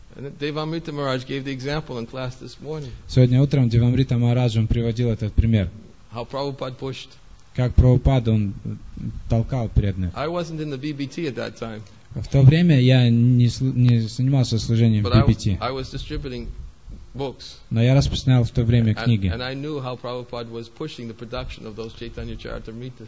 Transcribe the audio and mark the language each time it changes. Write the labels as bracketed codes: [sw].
[en] Devamrita Maharaj gave the example in class this morning. [ru] Сегодня утром Девамрита Махарадж приводил этот пример. [en] How Prabhupada pushed. [ru] Как Прабхупада он толкал преданных. [en] I wasn't in the BBT at that time. [ru] В то время я не занимался служением [en] But [ru] в BBT. [en] I was distributing books. [ru] Но я распространял в то время книги. [en] And I knew how Prabhupada was pushing the production of those Chaitanya Charitamritas.